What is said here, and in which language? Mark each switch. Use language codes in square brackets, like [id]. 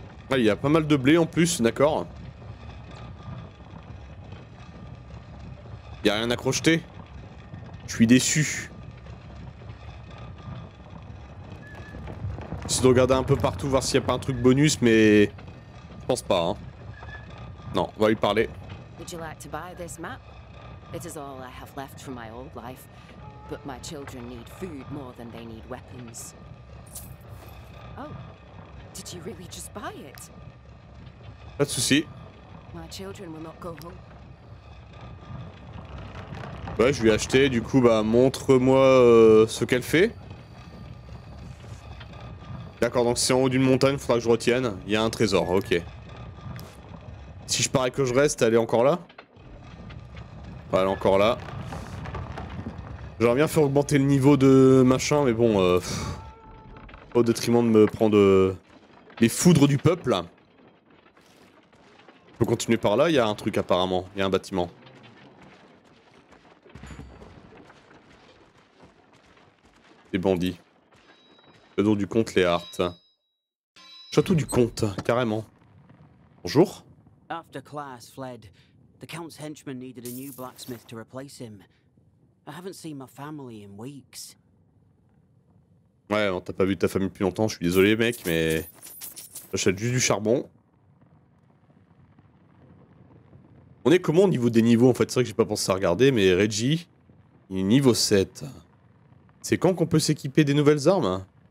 [fr] Ah, il y a pas mal de blé, en plus, d'accord. Y a rien à crocheter. Je suis déçu. J'essaie de regarder un peu partout, voir s'il y a pas un truc bonus, mais... Je pense pas, hein. Non, on va lui parler. [en] Would you like to buy this map? It is all I have left from my old life. But my children need food more than they need weapons. Oh, did you really just buy it? [fr] Pas de soucis. [en] My children will not go home. [fr] Ouais, je lui ai acheté, du coup, bah, montre-moi ce qu'elle fait. D'accord, donc c'est en haut d'une montagne, faudra que je retienne. Il y a un trésor, ok. Si je parais que je reste, elle est encore là? Ouais, elle est encore là. J'aurais bien fait augmenter le niveau de machin, mais bon, au détriment de me prendre les foudres du peuple. Je peux continuer par là, il y a un truc apparemment, il y a un bâtiment. Des bandits. Château du comte Léart. Château du comte, carrément. Bonjour. [en] After class fled, the count's henchman needed a new blacksmith to replace him. I haven't seen my family in weeks. [fr] Ouais, non, t'as pas vu ta famille depuis longtemps, je suis désolé mec, mais j'achète juste du charbon. On est comment au niveau des niveaux en fait? C'est vrai que j'ai pas pensé à regarder, mais Reggie, il est niveau 7. C'est quand qu'on peut s'équiper des nouvelles armes?